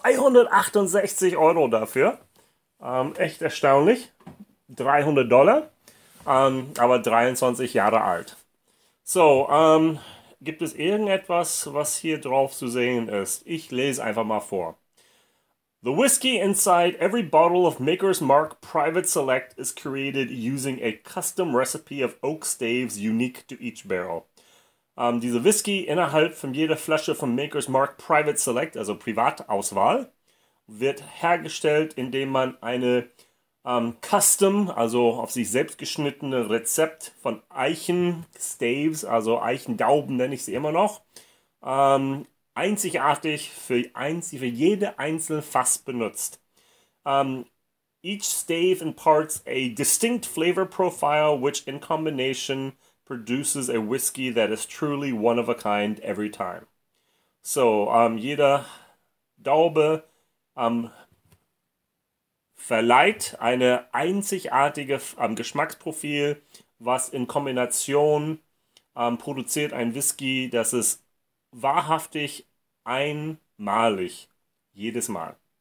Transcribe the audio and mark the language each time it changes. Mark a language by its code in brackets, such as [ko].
[de] 268 Euro dafür. Echt erstaunlich. $300. Aber 23 Jahre alt. So, gibt es irgendetwas, was hier drauf zu sehen ist? Ich lese einfach mal vor. [en] The whiskey inside every bottle of Maker's Mark Private Select is created using a custom recipe of oak staves unique to each barrel. [de] Diese Whisky innerhalb von jeder Flasche von Maker's Mark Private Select, also Privatauswahl, wird hergestellt, indem man eine custom, also auf sich selbst geschnittene Rezept von Eichen-Staves, also Eichendauben nenne ich sie immer noch, einzigartig für jede einzelne Fass benutzt. [en] Each stave imparts a distinct flavor profile, which in combination produces a whiskey that is truly one of a kind every time. [de] So, jeder Daube verleiht eine einzigartige Geschmacksprofil, was in Kombination produziert ein Whisky, das ist wahrhaftig einmalig, jedes Mal.